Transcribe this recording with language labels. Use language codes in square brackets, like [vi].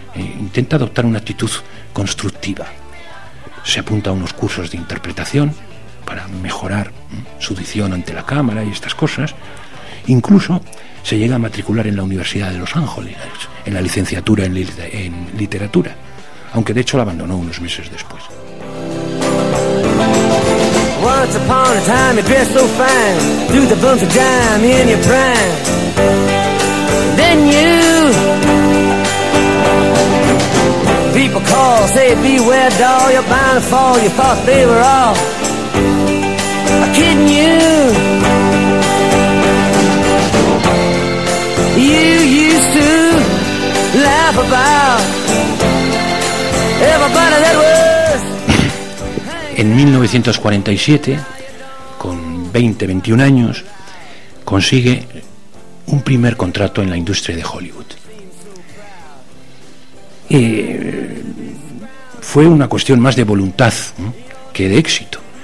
[es] Intenta adoptar una actitud constructiva. Se apunta a unos cursos de interpretación para mejorar su dicción ante la cámara y estas cosas. Incluso se llega a matricular en la Universidad de Los Ángeles, en la licenciatura en literatura, aunque de hecho la abandonó unos meses después. [en] Once upon a time you dressed so fine, threw the bumps of dime in your prime. Then you, people call, say beware doll, you're bound to fall, you thought they were all kidding you. You used to laugh about everybody that was. [es] En 1947, con 20, 21 años, consigue un primer contrato en la industria de Hollywood. Y fue una cuestión más de voluntad, ¿no?, que de éxito.